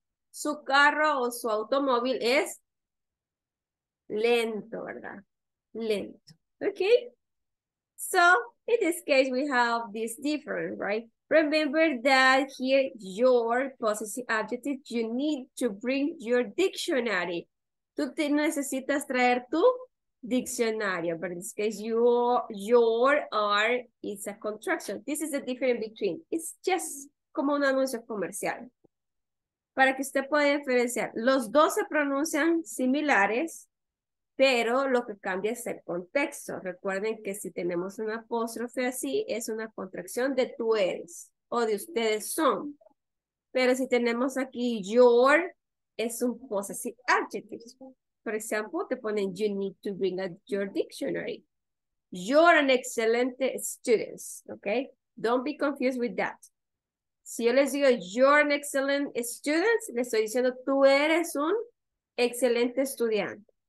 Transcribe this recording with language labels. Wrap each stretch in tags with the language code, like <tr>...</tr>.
<es>Su carro o su automóvil es lento, ¿verdad? Lento. Okay.</es> <en>So, in this case, we have this different, right? Remember that here, your possessive adjective, you need to bring your dictionary.</en> <es>Tú te necesitas traer tu diccionario,</es> <en>but in this case, your are is a contraction. This is the difference between. It's just</en> <es>como un anuncio comercial. Para que usted pueda diferenciar, los dos se pronuncian similares, pero lo que cambia es el contexto. Recuerden que si tenemos un apóstrofe así, es una contracción de tú eres o de ustedes son. Pero si tenemos aquí your, es un possessive adjective.</es> <en>For example,</en> <es>te ponen,</es> <en>you need to bring out your dictionary. You're an excellent student, okay? Don't be confused with that.</en> <es>Si yo les digo,</es> <en>you're an excellent student,</en> <es>le estoy diciendo, tú eres un excelente estudiante.</es>